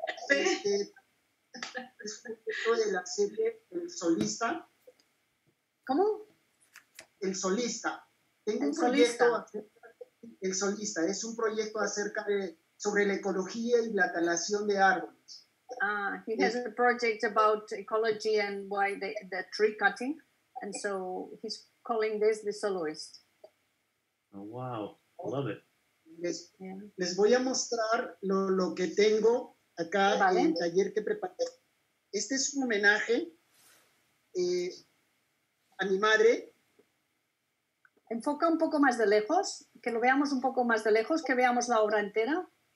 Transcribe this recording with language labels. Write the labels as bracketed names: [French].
[Spanish] Es un objeto de la serie El Solista. ¿Cómo? El Solista. Tengo un proyecto. El Solista es un proyecto acerca de sobre la ecología y la talación de árboles. [English] He has a project about ecology and why the tree cutting, and so he's calling this The Soloist. Oh, wow, I love it. [Spanish] Les voy a mostrar lo que tengo acá. ¿Vale? En el taller que preparé. Este es un homenaje a mi madre. Enfoca un poco más de lejos, que lo veamos un poco más de lejos, que veamos la obra entera.